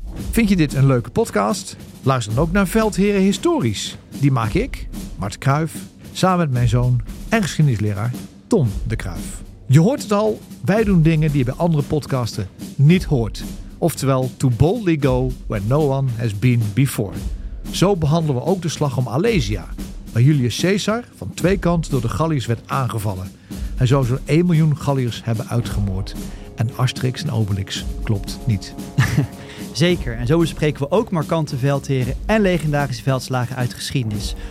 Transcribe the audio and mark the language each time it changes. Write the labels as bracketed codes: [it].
[nl] Vind je dit een leuke podcast? Luister dan ook naar Veldheren Historisch. Die maak ik, Mart Kruijf, samen met mijn zoon en geschiedenisleraar Tom de Kruijf. Je hoort het al, wij doen dingen die je bij andere podcasten niet hoort. Oftewel, [en] to boldly go where no one has been before. [nl] Zo behandelen we ook de slag om Alesia, waar Julius Caesar van twee kanten door de Galliërs werd aangevallen. Hij zou zo'n 1 miljoen Galliërs hebben uitgemoord. En Asterix en Obelix klopt niet. Zeker, en zo bespreken we ook markante veldheren en legendarische veldslagen uit geschiedenis.